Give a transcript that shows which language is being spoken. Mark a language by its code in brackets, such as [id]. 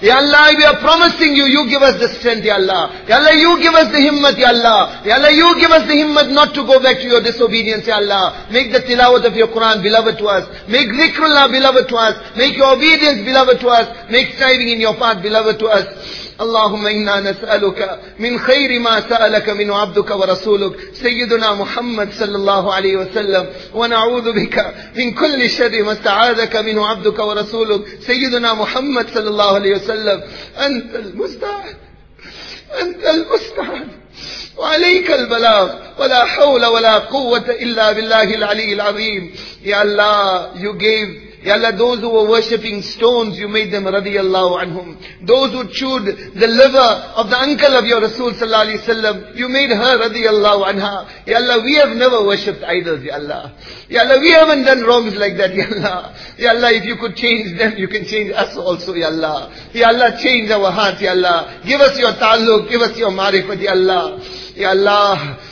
[en] Ya Allah, we are promising you, you give us the strength, Ya Allah. Ya Allah, you give us the himmat, Ya Allah. Ya Allah, you give us the himmat not to go back to your disobedience, Ya Allah. Make the tilawat of your Quran beloved to us. Make zikrullah beloved to us. Make your obedience beloved to us. Make striving in your path beloved to us. [ar] اللهم إنا نسألك من خير ما سألك من عبدك ورسولك سيدنا محمد صلى الله عليه وسلم ونعوذ بك من كل شر ما استعاذك من عبدك ورسولك سيدنا محمد صلى الله عليه وسلم أنت المستعان أنت المستعان وعليك البلاغ ولا حول ولا قوة إلا بالله العلي العظيم يا الله [en] you gave Ya Allah, those who were worshipping stones, you made them radiyallahu anhum. Those who chewed the liver of the uncle of your Rasul sallallahu alayhi wa sallam, you made her radiyallahu anha. Ya Allah, we have never worshipped idols, Ya Allah. Ya Allah, we haven't done wrongs like that, Ya Allah. Ya Allah, if you could change them, you can change us also, Ya Allah. Ya Allah, change our hearts, Ya Allah. Give us your ta'alluq, give us your marifat, Ya Allah. Ya Allah.